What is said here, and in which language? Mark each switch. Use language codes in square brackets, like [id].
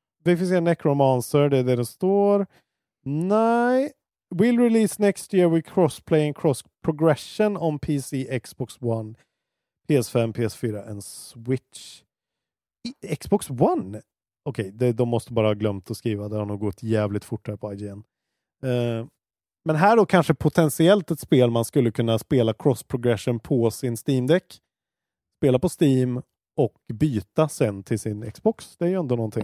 [sv] Vi får se Necromancer, det är där det står. Nej. [en] Will release next year with crossplay and cross progression on PC, Xbox One, PS5, PS4 and Switch. Xbox One? [sv] Okej, okay, de måste bara ha glömt att skriva. Det har nog gått jävligt fort här på IGN. Men här då kanske potentiellt ett spel man skulle kunna spela cross progression på sin Steam Deck. Spela på Steam och byta sen till sin Xbox. Det är ju ändå någonting.